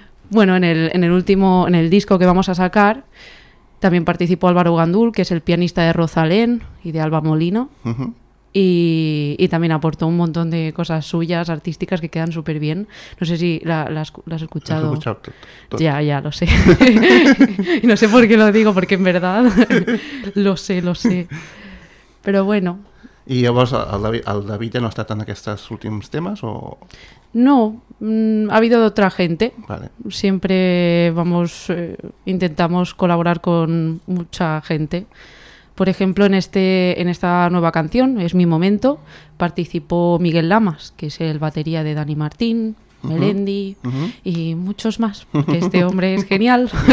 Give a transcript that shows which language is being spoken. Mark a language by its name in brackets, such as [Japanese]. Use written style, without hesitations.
[Spanish] Bueno, en el disco que vamos a sacar también participó Álvaro Gandul, que es el pianista de Rosalén y de Alba Molina. Uh-huh. Y también aportó un montón de cosas suyas, artísticas, que quedan súper bien. No sé si las has escuchado. Las he escuchado todo. Ya, lo sé. Y no sé por qué lo digo, porque en verdad lo sé. Pero bueno... [Catalan] I llavors el David ja no ha estat en aquests últims temes o...? [Spanish] No, ha habido otra gente. Vale. Siempre intentamos colaborar con mucha gente. Por ejemplo, en esta nueva canción, Es mi momento, participó Miguel Lamas, que es el batería de Dani Martín, Melendi, uh-huh, y muchos más, porque este hombre es genial.